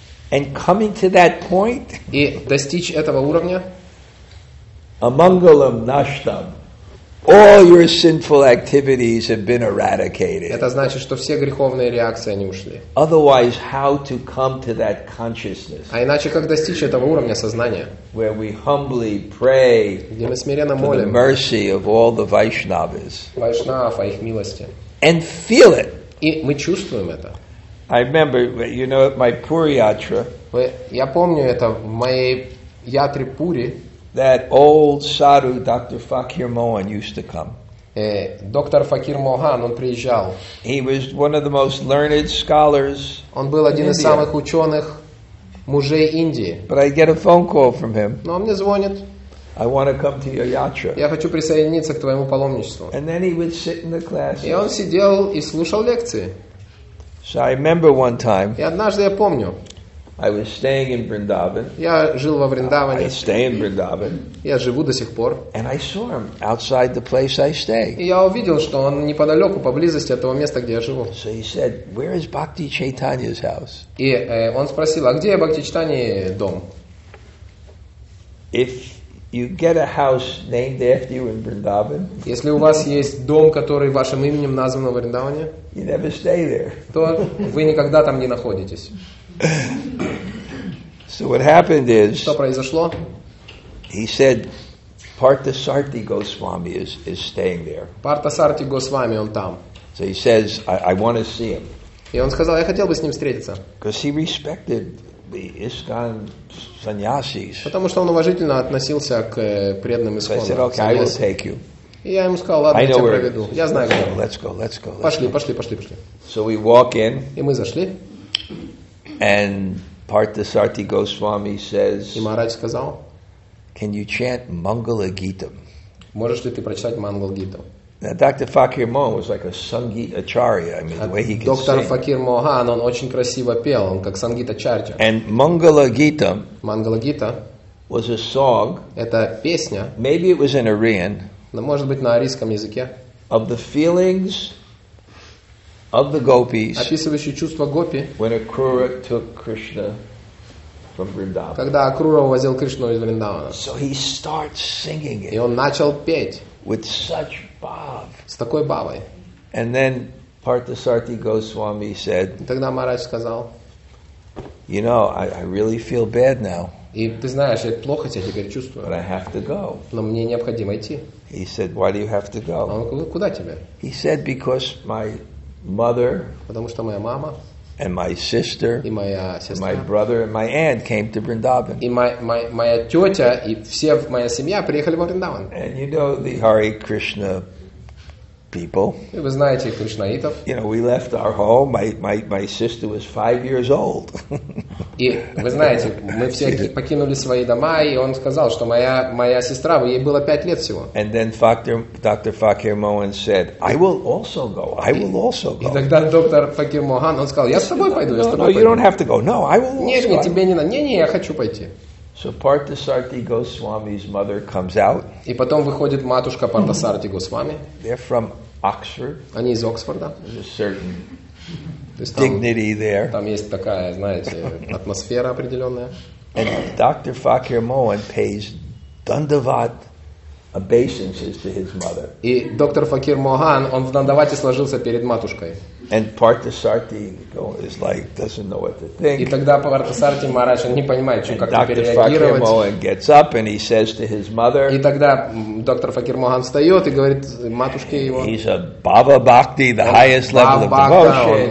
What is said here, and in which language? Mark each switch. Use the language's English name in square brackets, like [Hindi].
[English] And coming to that point, [Russian] и достичь этого уровня, [Sanskrit] Амангалам Наштам. [English] All your sinful activities have been eradicated. [Russian] Это значит, что все греховные реакции они ушли. [English] Otherwise, how to come to that consciousness? [Russian] А иначе как достичь этого уровня сознания? [English] Where we humbly pray for the mercy of all the Vaishnavas. [Russian] Вайшнав, о их милости. [English] And feel it. [Russian] И мы чувствуем это. [English] I remember, you know, at my Puri Yatra. [Russian] Я помню это в моей ятре Пури. [English] That old sadhu, Dr. Fakir Mohan, used to come. [Russian] Доктор Факир Мохан, он приезжал. [English] He was one of the most learned scholars. [Russian] Он был один из самых ученых мужей Индии. [English] But I get a phone call from him. [Russian] Но он мне звонит. [English] I want to come to your yatra. [Russian] Я хочу присоединиться к твоему паломничеству. [English] And then he would sit in the class. [Russian] И он сидел и слушал лекции. [English] So I remember one time. [Russian] И однажды я помню. [English] I was staying in Vrindavan. [Russian] Я жил во Вриндаване. [English] I stay in Vrindavan. [Russian] Я живу до сих пор. [English] And I saw him outside the place I stay. [Russian] И я увидел, что он неподалеку, поблизости от того места, где я живу. [English] So he said, "Where is Bhakti Chaitanya's house?" [Russian] И он спросил, а где Бхакти Чайтаньи дом? [English] If you get a house named after you in Vrindavan, [Russian] если у вас есть дом, который вашим именем назван во Вриндаване, [English] you never stay there. [Russian] То вы никогда там не находитесь. [English] So what happened is? [Russian] Что произошло? [English] He said, Partasarthi Goswami is staying there. [Russian] Partasarthi Goswami, он там. [English] So he says, I want to see him. [Russian] И он сказал, я хотел бы с ним встретиться. [English] Because he respected the ISKCON sannyasis. [Russian] Потому что он уважительно относился к преданным ISKCON. [English] So I said, okay, I will take you. [Russian] И я ему сказал, ладно, я тебя проведу. Я знаю, где. [English] Let's go, let's go. [Russian] Пошли. [English] So we walk in. [Russian] И мы зашли. [English] And Partasarthi Goswami says, [Russian] и Махарадж сказал, [English] can you chant Mangala Gita? [Russian] Можешь ли ты прочитать Мангала Гиту? [English] Now, Dr. Fakir Mohan was like a Sangeet Acharya. I mean, the way he could sing. [Russian] Доктор Факир Мохан, он очень красиво пел, он как Сангит Ачарья. [English] And Mangala Gita, [Russian] Мангала Гита, [English] was a song. [Russian] Это песня. [English] Maybe it was in Arian. [Russian] Но может быть на арийском языке. [English] Of the feelings. Of the gopis, [Russian] описывающие чувства гопи, [English] when Akrura took Krishna from Vrindavan. [Russian] Когда Акрура увозил Кришну из Вриндавана. [English] So he starts singing it. [Russian] И он начал петь. [English] With such bhav. [Russian] С такой бавой. [English] And then Partasarthi Goswami said. [Russian] И тогда Махарадж сказал. [English] You know, I really feel bad now. [Russian] И ты знаешь, я плохо себя теперь чувствую. [English] But I have to go. [Russian] Но мне необходимо идти. [English] He said, why do you have to go? [Russian] Он говорит, куда тебе? [English] He said, because my mother, [Russian] потому что моя мама, [English] and my sister, [Russian] и моя сестра, [English] and my brother and my aunt came to Vrindavan. [Russian] И моя тетя и все моя семья приехали во Вриндаван. [English] And you know the Hare Krishna people. [Russian] И вы знаете кришнаитов. [English] You know, we left our home. My sister was 5 years old. [Russian] И вы знаете, мы все покинули свои дома, и он сказал, что моя сестра, ей было 5 лет всего. [English] And then Dr. Fakir Mohan said, I will also go. I will also go. [Russian] И тогда доктор Факир Мохан, он сказал, я с тобой пойду, я с тобой пойду. [English] No, you don't have to go. No, I will also. [Russian] Нет, тебе не надо. Не, я хочу пойти. [English] So Partasarthi Goswami's mother comes out. [Russian] И потом выходит матушка Партасарти Госвами. [English] They're from Oxford. [Russian] Они из Оксфорда. [English] There's a certain dignity there. [Russian] Там есть такая, знаете, атмосфера определенная. [English] And Dr. Fakir Mohan pays dandavat obeisances to his mother. [Russian] И доктор Факир Мохан, он в дандавате сложился перед матушкой. [English] And Partasarthi is like doesn't know what to think. [Russian] И тогда Партасарти Махарадж не понимает, что как теперь реагировать. [English] And Dr. Fakir Mohan gets up and he says to his mother. [Russian] И тогда доктор Факир Мохан встает и говорит матушке его. [English] He's a Baba Bhakti, the highest level of devotion.